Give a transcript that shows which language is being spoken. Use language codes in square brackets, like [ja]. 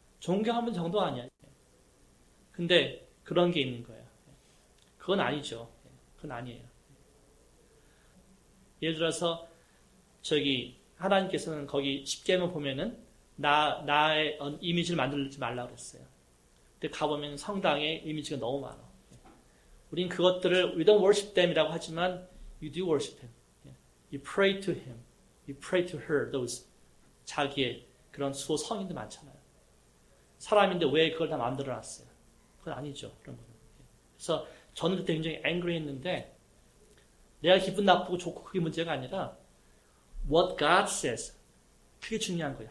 [ko] 존경하는 정도가 아니야. 근데 그런 게 있는 거예요. 그건 아니죠. 그건 아니에요. 예를 들어서 저기 하나님께서는 거기 십계명 보면은 나의 이미지를 만들지 말라고 그랬어요. 근데 가보면 성당에 이미지가 너무 많아. 우린 그것들을 [en] we don't worship them이라고 하지만 you do worship him. You pray to him. You pray to her. Those [ko] 자기의 그런 수호 성인도 많잖아요. 사람인데 왜 그걸 다 만들어놨어요? 그건 아니죠. 그런 거는. 그래서 저는 그때 굉장히 angry 했는데 내가 기분 나쁘고 좋고 그게 문제가 아니라 [en] what God says [ko] 그게 중요한 거예요.